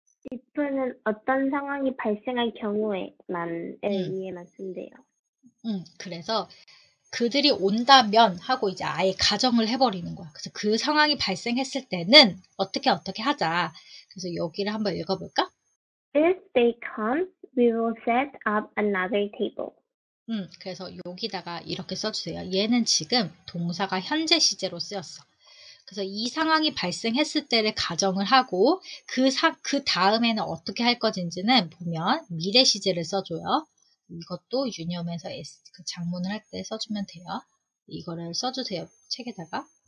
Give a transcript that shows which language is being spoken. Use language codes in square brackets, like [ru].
[ko] if는 어떤 상황이 발생할 경우에만을 이해만 쓴대요. 그래서 그들이 온다면 하고 이제 아예 가정을 해버리는 거야. 그래서 그 상황이 발생했을 때는 어떻게 어떻게 하자. 그래서 여기를 한번 읽어볼까? [en] If they come, we will set up another table. [ko] 그래서 여기다가 이렇게 써주세요. 얘는 지금 동사가 현재 시제로 쓰였어. 그래서 이 상황이 발생했을 때를 가정을 하고 그 다음에는 어떻게 할 것인지는 보면 미래 시제를 써줘요. 이것도 유념해서 그 장문을 할때 써주면 돼요. 이거를 써주세요. 책에다가.